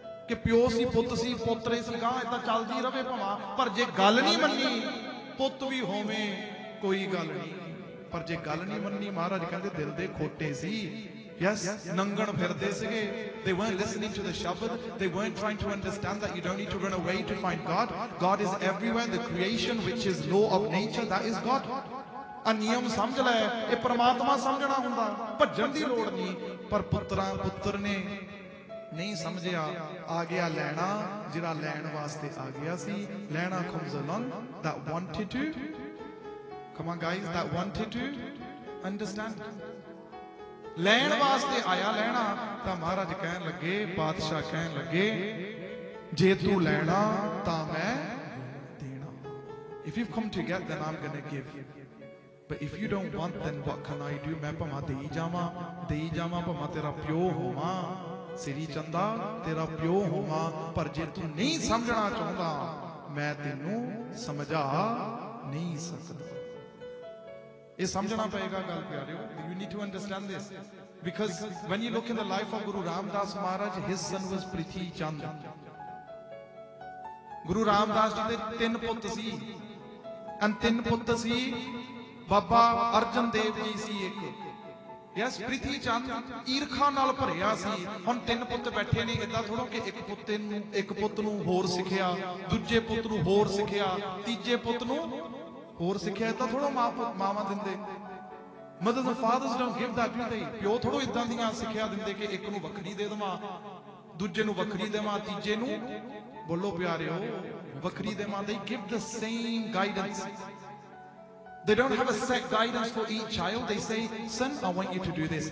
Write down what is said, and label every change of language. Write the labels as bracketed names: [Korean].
[Punjabi] ਕਿ ਪਿਓ ਸੀ ਪੁੱਤ ਸੀ ਪੋਤਰੇ ਸੀ ਗਾਂ, ਇਦਾਂ ਚੱਲਦੀ ਰਵੇ ਭਵਾਂ, ਪਰ ਜੇ ਗੱਲ ਨਹੀਂ ਮੰਨੀ ਪੁੱਤ ਵੀ ਹੋਵੇ ਕੋਈ ਗੱਲ ਨਹੀਂ, ਪਰ ਜੇ ਗੱਲ ਨਹੀਂ ਮੰਨੀ ਮਹਾਰਾਜ ਕਹਿੰਦੇ ਦਿਲ ਦੇ ਖੋਟੇ ਸੀ. [English] Yes, [Punjabi] nangan phirde sige, [English] they weren't listening to the shabad, they weren't trying to understand that you don't need to run away to find God. God is everywhere in the creation, which is law of nature, that is God. [Punjabi] ਨਿਯਮ ਸਮਝ ਲੈ, ਇਹ ਪ੍ਰਮਾਤਮਾ ਸਮਝਣਾ ਹੁੰਦਾ, ਭੱਜਣ ਦੀ ਲੋੜ ਨਹੀਂ. ਪਰ ਪੁੱਤਰਾਂ ਪੁੱਤਰ ਨੇ ਨਹੀਂ ਸਮਝਿਆ, ਆ ਗਿਆ ਲੈਣਾ ਜਿਹੜਾ ਲੈਣ ਵਾਸਤੇ ਆ ਗਿਆ ਸੀ. [English] ਲੈਣਾ comes along that wanted to. Come on guys, that wanted to understand. [Punjabi] ਲੈਣ ਵਾਸਤੇ ਆਇਆ ਲੈਣਾ, ਤਾਂ ਮਹਾਰਾਜ ਕਹਿਣ ਲੱਗੇ, ਬਾਦਸ਼ਾਹ ਕਹਿਣ ਲੱਗੇ, ਜੇ ਤੂੰ ਲੈਣਾ ਤਾਂ ਮੈਂ ਦੇਣਾ. [English] If you've come to get, then I'm gonna give. But if you don't want, then what can I do? [Punjabi] ਮੈਂ ਭਵਾਂ ਦੇਈ ਜਾਵਾਂ, ਭਵਾਂ ਤੇਰਾ ਪਿਓ ਹੋਵਾਂ, ਸ੍ਰੀ ਚੰਦਾ ਤੇਰਾ ਪਿਓ ਹੋਵਾਂ, ਪਰ ਜੇ ਤੂੰ ਨਹੀਂ ਸਮਝਣਾ ਚਾਹੁੰਦਾ, ਮੈਂ ਤੈਨੂੰ ਸਮਝਾ ਨਹੀਂ ਸਕਦਾ. ਇਹ ਸਮਝਣਾ ਪਏਗਾ ਗੱਲ ਪਿਆਰਿਓ. [English] You need to understand this, because when you look in the life of Guru Ramdas Maharaj, his son was Prithi Chand. [Punjabi] Guru Ramdas ji de tin putt si, and tin putt si Baba Arjan Dev ji si ek. Yes, Prithi Chand ਈਰਖਾ ਨਾਲ ਭਰਿਆ ਸੀ. ਹੁਣ ਤਿੰਨ ਪੁੱਤ ਬੈਠੇ ਨੇ, ਇਦਾਂ ਥੋੜਾ ਕਿ ਇੱਕ ਪੁੱਤ ਨੂੰ ਹੋਰ ਸਿੱਖਿਆ, ਦੂਜੇ ਪੁੱਤ ਨੂੰ ਹੋਰ ਸਿੱਖਿਆ, ਤੀਜੇ ਪੁੱਤ ਨੂੰ ਹੋਰ ਸਿੱਖਿਆ, ਇਦਾਂ ਥੋੜਾ ਮਾਵਾਂ ਦਿੰਦੇ. [English] Mothers and fathers don't give that, do they? [Punjabi] ਪਿਓ ਥੋੜਾ ਇਦਾਂ ਦੀਆਂ ਸਿੱਖਿਆ ਦਿੰਦੇ ਕਿ ਇੱਕ ਨੂੰ ਵੱਖਰੀ ਦੇ ਦੇਵਾਂ, ਦੂਜੇ ਨੂੰ ਵੱਖਰੀ ਦੇਵਾਂ, ਤੀਜੇ ਨੂੰ ਬੋਲੋ ਪਿਆਰਿਓ ਵੱਖਰੀ ਦੇਵਾਂ. [English] They give the same guidance. They don't have a set guidance for each child. They say, son, I want you to do this.